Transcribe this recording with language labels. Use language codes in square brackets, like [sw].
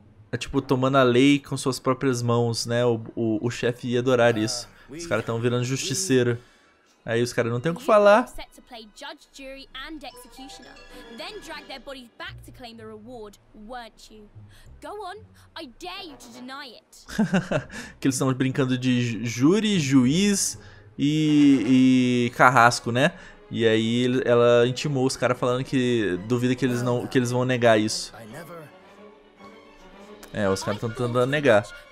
[pt] é tipo, tomando a lei com suas próprias mãos, né? O chefe ia adorar isso. Os caras estão virando justiceiro. Aí os caras não tem o que falar. [en] Judge, jury and executioner. Then drag their bodies back to claim the reward, weren't you? Go on, I dare you to deny it. [pt] Que eles estão brincando de júri, juiz... E carrasco, né? E aí ela intimou os caras falando que duvida que eles não, que eles vão negar isso. É, os caras estão tentando negar.